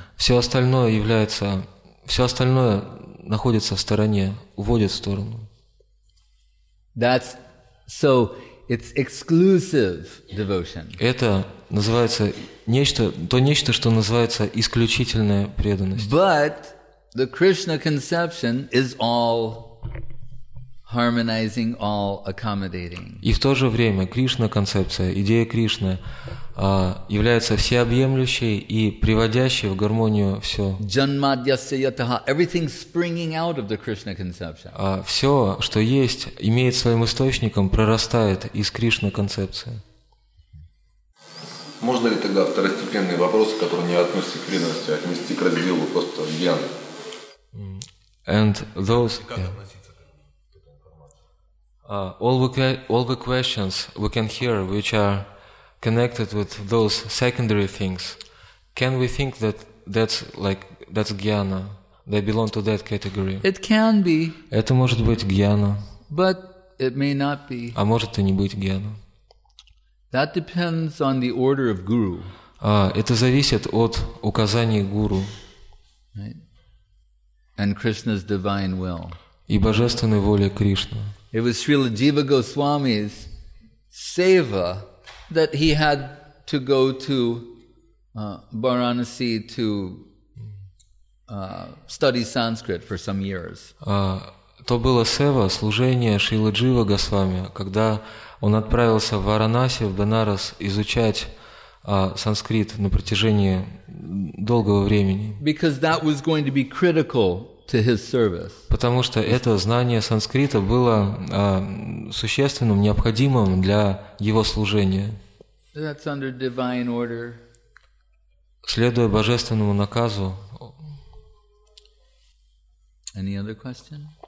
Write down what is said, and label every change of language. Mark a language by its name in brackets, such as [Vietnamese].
[Russian] Все остальное является... Все остальное находится в стороне, уводит в сторону. [English] That's so it's exclusive devotion. [Russian] Это называется нечто, то нечто, что называется исключительная преданность. [English] But the Krishna conception is all harmonizing, all accommodating. [Russian] И в то же время Кришна концепция, идея Кришны является всеобъемлющей и приводящей в гармонию все. [Sanskrit] Janmadyasya yataha, [English] everything springing out of the Krishna conception. [Russian] Все, что есть, имеет своим источником, прорастает из Кришна концепции. Можно ли тогда второстепенные вопросы, которые не относятся к преданности, отнести к разделу просто гьяны? [English] And those. All the questions we can hear, which are connected with those secondary things, can we think that that's jnana? They belong to that category. It can be. [Russian] Это может быть jnana. [English] But it may not be. [Russian] А может и не быть jnana. [English] That depends on the order of guru. [Russian] Это зависит от указаний гуру. [English] Right. And Krishna's divine will. [Russian] И божественной воли Кришны. [English] It was Srila Jiva Goswami's seva that he had to go to Varanasi to study Sanskrit for some years. [Russian] То было сева, служение Шрилы Джива Госвами, когда он отправился в Варанаси, в Бенарас, изучать санскрит на протяжении долгого времени. [English] Because that was going to be critical to his service. [Russian] Потому что это знание санскрита было существенным, необходимым для его служения. [English] That's under divine order. [Russian] следуя божественному наказу. [English] Any other question?